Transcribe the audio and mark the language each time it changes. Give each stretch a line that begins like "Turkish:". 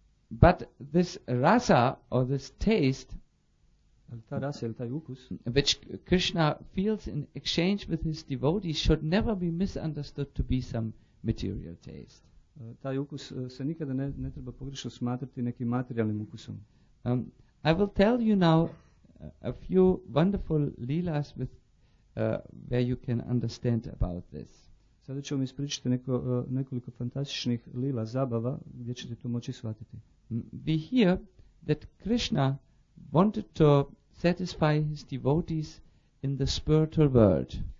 English: But this rasa or this taste, which Krishna feels in exchange with his devotees, should never be misunderstood to be some material taste.
Croatian: Taj ukus se nikada ne treba pogrešno smatrati nekim materijalnim ukusom.
English: I will tell you now a few wonderful lilas with where you can understand about this.
Croatian: Sada ću vam ispričati nekoliko fantastičnih lila zabava gdje ćete to moći shvatiti.
English: We hear that Krishna wanted to satisfy his devotees in the spiritual world.